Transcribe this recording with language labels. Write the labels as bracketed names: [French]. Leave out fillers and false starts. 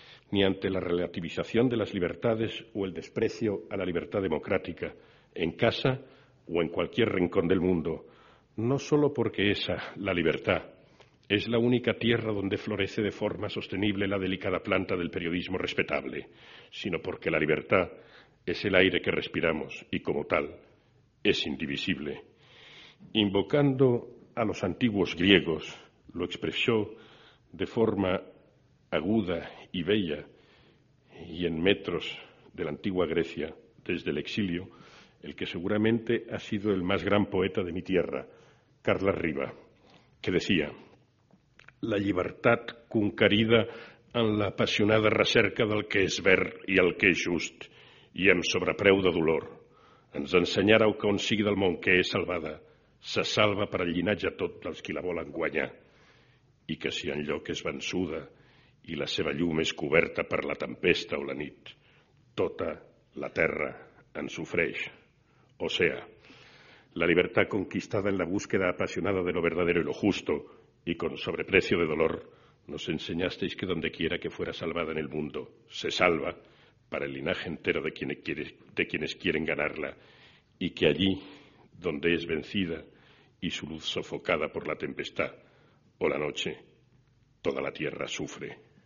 [Spanish] ni ante la relativización de las libertades o el desprecio a la libertad democrática, en casa o en cualquier rincón del mundo, no solo porque esa, la libertad, es la única tierra donde florece de forma sostenible la delicada planta del periodismo respetable, sino porque la libertad es el aire que respiramos y, como tal, es indivisible. Invocando a los antiguos griegos, lo expresó de forma aguda y bella, y en metros de la antigua Grecia, desde el exilio, el que seguramente ha sido el más gran poeta de mi tierra, Carlas Riba, que decía: [Catalan] la libertad conquerida en la apassionada recerca del que és ver i el que és just, i amb sobrepreu de dolor, ens ensenyarà el que on sigui del món que és salvada, se salva per al llinatge tot dels qui la volen guanyar, i que si en lloc és vençuda i la seva llum és coberta per la tempesta o la nit, tota la terra ens ofreix. [Spanish] O sea, la libertad conquistada en la búsqueda apasionada de lo verdadero y lo justo, y con sobreprecio de dolor, nos enseñasteis que dondequiera que fuera salvada en el mundo, se salva para el linaje entero de quienes quieren ganarla, y que allí, donde es vencida y su luz sofocada por la tempestad o la noche, toda la tierra sufre.